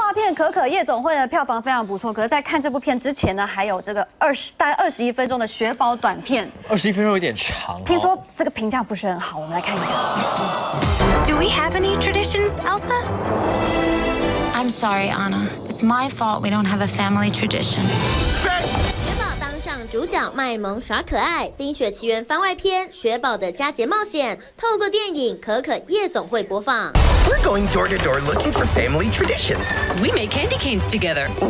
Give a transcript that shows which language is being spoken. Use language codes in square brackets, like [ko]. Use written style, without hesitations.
[zh] 片《可可夜总会》的票房非常不错，可是在看这部片之前呢，还有这个大概二十一分钟的雪宝短片。二十一分钟有点长、哦。听说这个评价不是很好，我们来看一下。 [en] Do we have any traditions, Elsa? I'm sorry, Anna. It's my fault we don't have a family tradition. [zh] 雪宝当上主角，卖萌耍可爱，《冰雪奇缘》番外篇《雪宝的佳节冒险》透过电影《可可夜总会》播放。 [en] We're going door to door looking for family traditions. We make candy canes together.